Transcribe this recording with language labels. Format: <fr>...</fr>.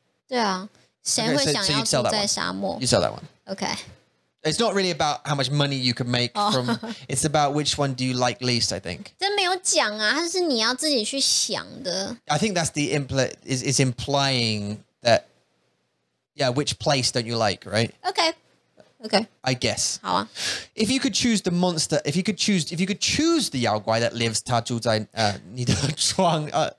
<zh>对啊，谁会想要住在沙漠？</zh> <en>You sell that one. Okay. It's not really about how much money you can make from. It's about which one do you like least, I think.</en> <zh>这没有讲啊，它是你要自己去想的。</zh> <en>I think that's the is implying that, yeah, which place don't you like, right? Okay. I guess.</en> <zh>好啊.</zh> <en>If you could choose the monster, if you could choose the 妖怪 that lives</en> <zh>他住在你的床,</zh>